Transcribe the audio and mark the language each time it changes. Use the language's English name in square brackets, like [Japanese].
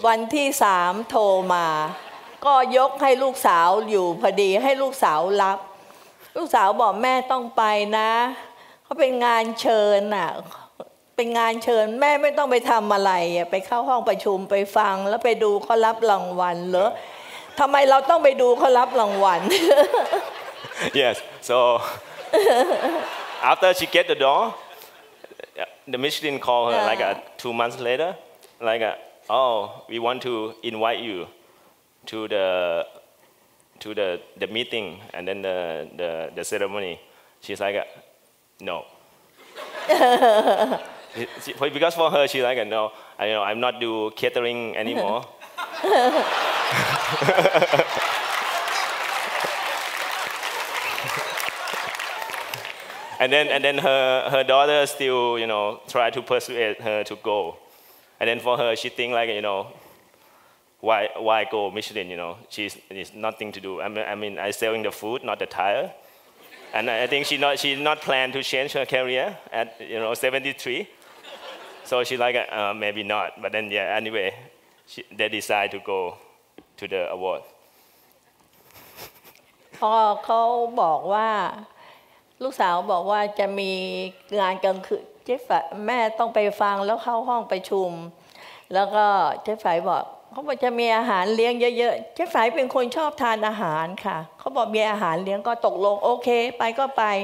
[Thai] วันที่สามโทรมาก็ยกให้ลูกสาวอยู่พอดีให้ลูกสาวรับลูกสาวบอกแม่ต้องไปนะเขาเป็นงานเชิญน่ะเป็นงานเชิญแม่ไม่ต้องไปทำอะไรไปเข้าห้องประชุมไปฟังแล้วไปดูเขารับรางวัลเหรอทำไมเราต้องไปดูเขารับรางวัล [English] Yes so after she get the door the Michelin call her like a 2 months later like a, oh we want to invite you to the meeting and then the ceremony she's like a, no because for her she's like a, no I, you know I'm not do catering anymore and then her daughter still you know try to persuade her to go and then for her she think like you know why go Michelin you know she's it's nothing to do I mean I selling the food not the tire and I think she not plan to change her career at you know 73 so she like maybe not but then yeah anywayThey decide to go to the award. [Thai] พอเขาบอกว่า ลูกสาวบอกว่าจะมีงานกลางคืนเจ๊ฝายแม่ต้องไปฟังแล้วเข้าห้องประชุมแล้วก็เจ๊ฝายบอกเขาบอกจะมีอาหารเลี้ยงเยอะๆเจ๊ฝายเป็นคนชอบทานอาหารค่ะเขาบอกมีอาหารเลี้ยงก็ตกลงโอเคไปก็ไป